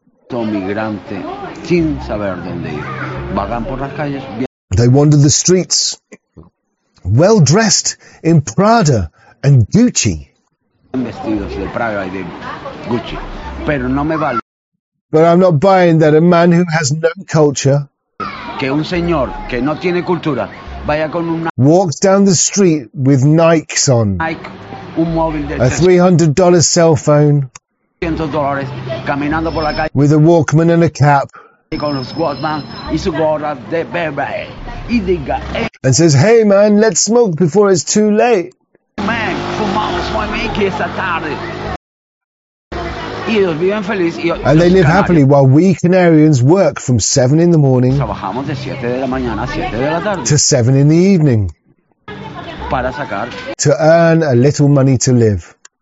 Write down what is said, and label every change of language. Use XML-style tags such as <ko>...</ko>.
<en>They wander the streets, well dressed in Prada and Gucci. But I'm not buying that a man who has no culture.</en> <es>Que un señor que no tiene cultura vaya con una.</es> <en>Walks down the street with Nikes on.</en> <es>Nike, un móvil de</es> <en>a $300 cell phone.</en> <es>$300, caminando por la calle.</es> <en>With a Walkman and a cap.</en> <es>Y con los Walkman y su gorra de bebé. Y diga.</es> <en>And says, hey man, let's smoke before it's too late.</en> <es>Man, fumamos muy mique esta tarde.</es> <en>And they live happily while we Canarians work from 7 in the morning to 7 in the evening to earn a little money to live.</en>